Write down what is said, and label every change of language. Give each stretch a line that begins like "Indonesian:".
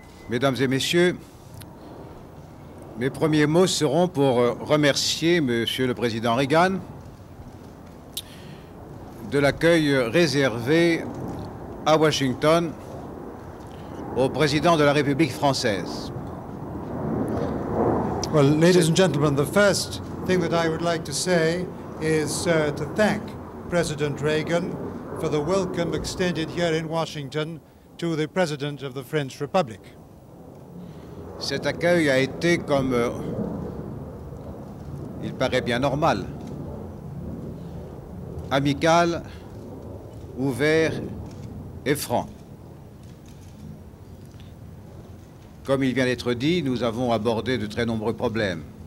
French: Mesdames et messieurs, mes premiers mots seront pour remercier Monsieur le Président Reagan de l'accueil réservé à Washington au Président de la République française.
English: Well, ladies and gentlemen, the first thing that I would like to say is to thank President Reagan for the welcome extended here in Washington to the President of the French Republic.
French: Cet accueil a été comme il paraît bien normal, amical, ouvert et franc. Comme il vient d'être dit, nous avons abordé de très nombreux problèmes.